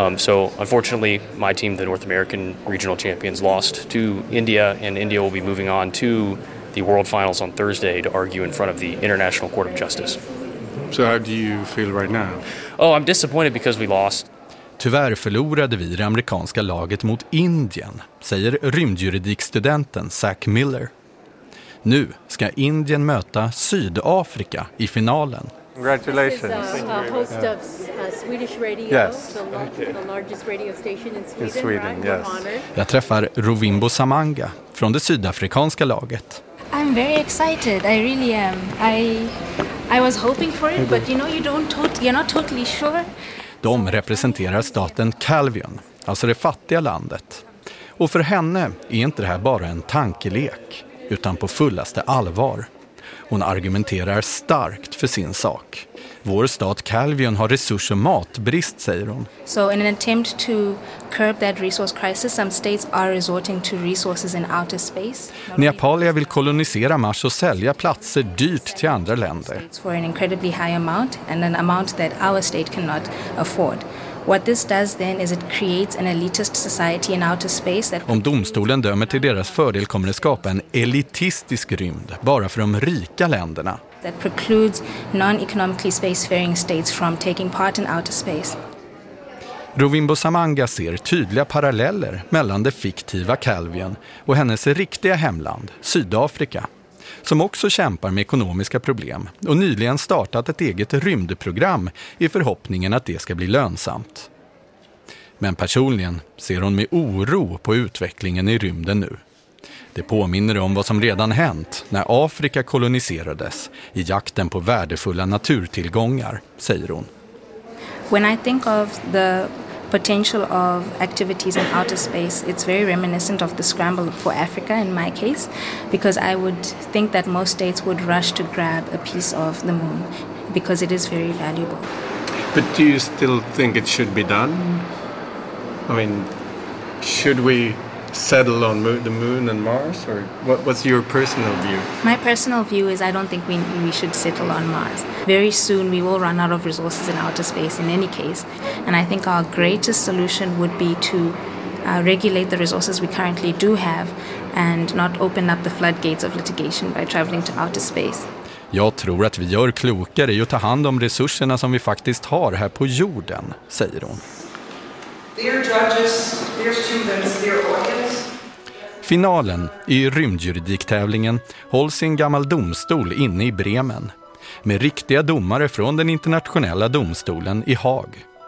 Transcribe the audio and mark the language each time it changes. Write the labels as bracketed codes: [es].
[en] So unfortunately my team, the North American regional champions, lost to India, and India will be moving on to the world finals on Thursday to argue in front of the International Court of Justice. So how do you feel right now? Oh, I'm disappointed because we lost. [sv] Tyvärr förlorade vi det amerikanska laget mot Indien, säger rymdjuridikstudenten Zach Miller. Nu ska Indien möta Sydafrika i finalen. [en] Congratulations. This is a host of Swedish radio, yes. The largest radio station in Sweden. In Sweden, right? Yes. [sv] Jag träffar Rovimbo Samanga från det sydafrikanska laget. [en] I'm very excited. I really am. I was hoping for it, but you know you're not totally sure. [sv] De representerar staten Calvion, alltså det fattiga landet. Och för henne är inte det här bara en tankelek, utan på fullaste allvar. Hon argumenterar starkt för sin sak. Vår stat Calvion har resurs- och matbrist, säger hon. [en] So in an attempt to curb that resource crisis, some states are resorting to resources in outer space. [sv] Nepalia vill kolonisera Mars och sälja platser dyrt till andra länder. [en] For an incredibly high amount and an amount that our state cannot afford. What this does then is it creates an elitist society in outer space that... [sv] Om domstolen dömer till deras fördel kommer det skapa en elitistisk rymd bara för de rika länderna. [en] That precludes non-economically spacefaring states from taking part in outer space. [sv] Rovimbo Samanga ser tydliga paralleller mellan det fiktiva Calvion och hennes riktiga hemland, Sydafrika, som också kämpar med ekonomiska problem och nyligen startat ett eget rymdprogram i förhoppningen att det ska bli lönsamt. Men personligen ser hon med oro på utvecklingen i rymden nu. Det påminner om vad som redan hänt när Afrika koloniserades i jakten på värdefulla naturtillgångar, säger hon. [en] When I think of the potential of activities in outer space, it's very reminiscent of the scramble for Africa in my case, because I would think that most states would rush to grab a piece of the moon because it is very valuable. But do you still think it should be done? I mean, should we settle on the moon and Mars, or what's your personal view? My personal view is I don't think we should settle on Mars. Very soon we will run out of resources in outer space in any case, and I think our greatest solution would be to regulate the resources we currently do have and not open up the floodgates of litigation by traveling to outer space. [sv] Jag tror att vi gör klokare i att ta hand om resurserna som vi faktiskt har här på jorden, säger hon. [en] Dear judges, dear students, dear audience. [sv] Finalen i rymdjuridiktävlingen hålls i en gammal domstol inne i Bremen, med riktiga domare från den internationella domstolen i Haag.